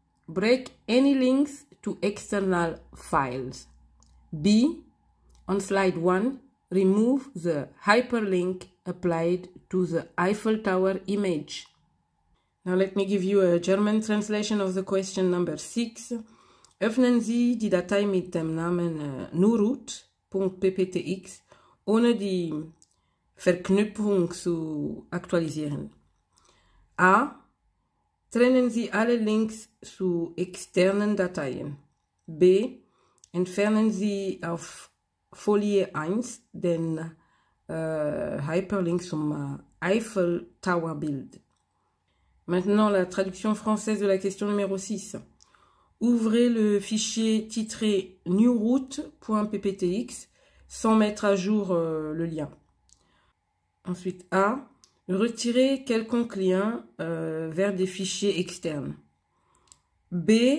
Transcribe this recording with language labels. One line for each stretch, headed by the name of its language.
English: Break any links to external files. B. On slide 1, remove the hyperlink applied to the Eiffel Tower image. Now let me give you a German translation of the question number 6.
German: Öffnen Sie die Datei mit dem Namen newroot.pptx, ohne die Verknüpfung zu aktualisieren. A. Trennen Sie alle Links zu externen Dateien. B. Entfernen Sie auf Folie 1 den Hyperlink zum Eiffel Tower Bild.
French: Maintenant, la traduction française de la question numéro 6. Ouvrez le fichier titré newroot.pptx sans mettre à jour le lien. Ensuite, A. Retirer quelconque lien vers des fichiers externes. B.